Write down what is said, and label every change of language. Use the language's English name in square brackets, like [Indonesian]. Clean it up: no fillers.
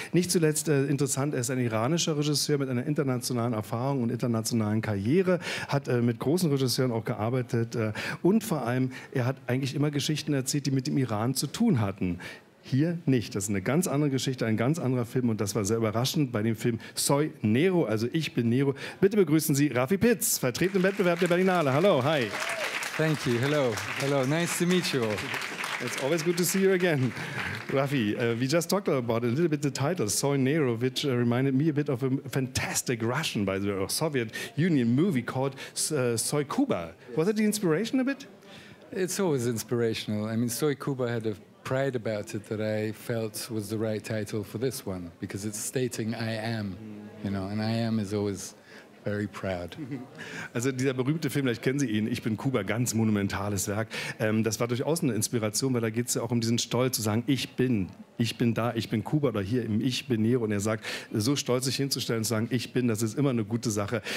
[German] Nicht zuletzt interessant, er ist ein iranischer Regisseur mit einer internationalen Erfahrung und internationalen Karriere, hat mit großen Regisseuren auch gearbeitet und vor allem, er hat eigentlich immer Geschichten erzählt, die mit dem Iran zu tun hatten. Hier nicht. Das ist eine ganz andere Geschichte, ein ganz anderer Film und das war sehr überraschend bei dem Film Soy Nero, also ich bin Nero. Bitte begrüßen Sie Rafi Pitz, vertreten im Wettbewerb der Berlinale. Hallo, hi. [English] Thank you, hello, hello, nice to meet you. It's always good to see you again. Rafi, we just talked about a little bit the title, Soy Nero, which reminded me a bit of a fantastic Russian, by the way, or Soviet Union movie called Soy Kuba. Yes. Was it the inspiration a bit? It's always inspirational. I mean, Soy Kuba had a pride about it that I felt was the right title for this one, because it's stating I am, you know, and I am is always... Very proud. [German] Also dieser berühmte Film, vielleicht kennen Sie ihn, Ich bin Kuba, ganz monumentales Werk. Das war durchaus eine Inspiration, weil da geht es ja auch um diesen Stolz zu sagen, ich bin da, ich bin Kuba oder hier im Ich bin Nero. Und er sagt, so stolz sich hinzustellen und zu sagen, ich bin, das ist immer eine gute Sache.